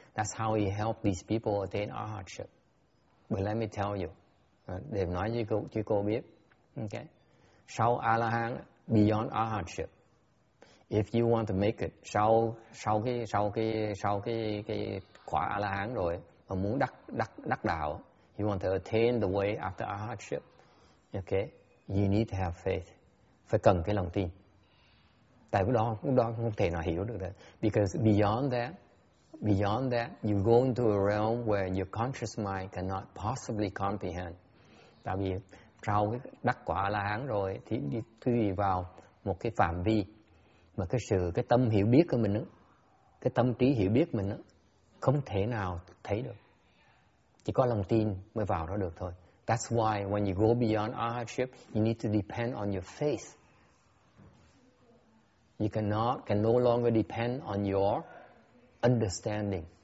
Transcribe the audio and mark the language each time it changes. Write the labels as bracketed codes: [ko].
[en] That's how he helped these people attain our hardship. But let me tell you, [vi] để nói cho cô biết. [en] Okay. [vi] Sau A-la-hán, [en] beyond our hardship, if you want to make it, [vi] sau cái quả A-la-hán rồi, mà muốn đắc đạo, [en] you want to attain the way after our hardship, okay, you need to have faith. [vi] Phải cần cái lòng tin. Tại lúc đó không thể nào hiểu được đấy. [en] Because beyond that, you go into a realm where your conscious mind cannot possibly comprehend. [vi] Tại vì sau đắc quả A-la-hán rồi thì đi vào một cái phạm vi mà cái tâm hiểu biết của mình đó, cái tâm trí hiểu biết mình đó, không thể nào thấy được, chỉ có lòng tin mới vào đó được thôi. [en] That's why when you go beyond arhatship, you need to depend on your faith. You cannot, can no longer depend on your understanding.